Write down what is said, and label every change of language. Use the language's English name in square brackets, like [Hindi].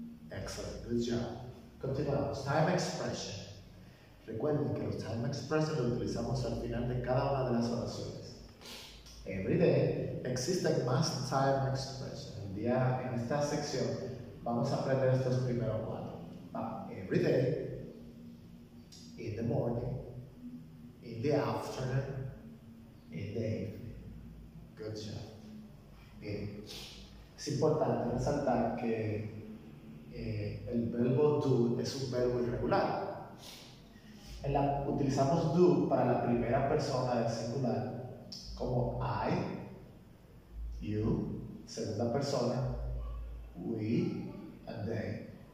[English] Excellent, good job. [Spanish] Continuamos. [English] Time expression. [Spanish] Recuerden que los [English] time expression [Spanish] los utilizamos al final de cada una de las oraciones. [English] Every day [Spanish] existen más [English] time expression. [Spanish] En esta sección vamos a aprender estos primeros cuatro. [English] Every day, in the morning, in the afternoon, in the evening. Good job. [Spanish] Bien. Es importante resaltar que el verbo do es un verbo irregular. Utilizamos do para la primera persona del singular, como I, you, segunda persona, we, and they.